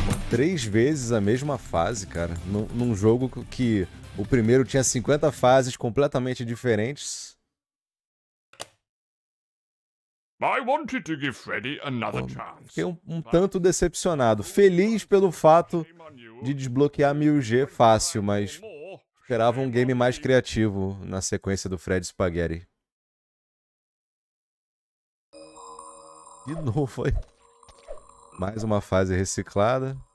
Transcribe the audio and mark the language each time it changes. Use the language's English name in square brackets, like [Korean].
[Portuguese] três vezes a mesma fase, cara, num jogo que o primeiro tinha 50 fases completamente diferentes. [English] I wanted to give Freddy another chance. [Portuguese] Fiquei um tanto decepcionado. Feliz pelo fato de desbloquear 1000G fácil, mas esperava um game mais criativo na sequência do Freddy Spaghetti. De novo, foi. Mais uma fase reciclada.